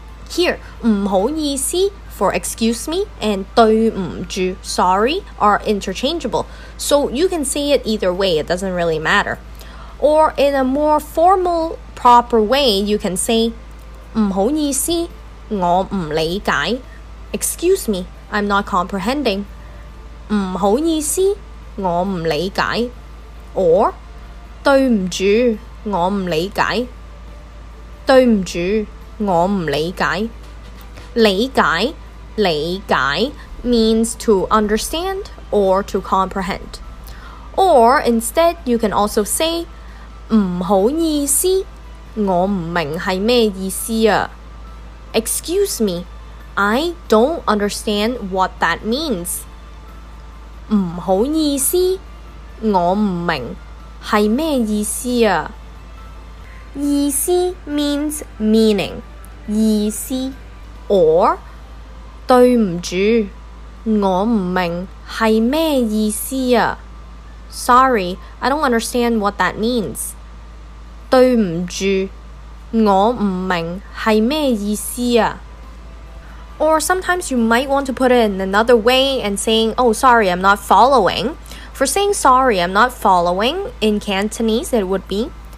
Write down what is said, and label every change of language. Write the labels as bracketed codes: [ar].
[en] Here, [yue] 唔好意思 [en] for excuse me and [yue] 对唔住 [en] sorry are interchangeable. So you can say it either way, it doesn't really matter. Or in a more formal, proper way, you can say [yue] 唔好意思我唔理解 [en] Excuse me, I'm not comprehending. [yue] 唔好意思我唔理解 Or 对唔住我唔理解对唔住我唔理解。 [en] 理解，理解 means to understand or to comprehend. Or instead, you can also say, [yue] 唔好意思，我唔明系咩意思啊。 [en] Excuse me, I don't understand what that means. [yue] 唔好意思，我唔明系咩意思啊。 [en] 意思 means meaning. 意思 or [yue] 对唔住我唔明系咩意思啊 [en] sorry I don't understand what that means [yue] 对唔住我唔明系咩意思啊 [en] or sometimes you might want to put it in another way and saying oh sorry I'm not following for saying sorry I'm not following in Cantonese it would be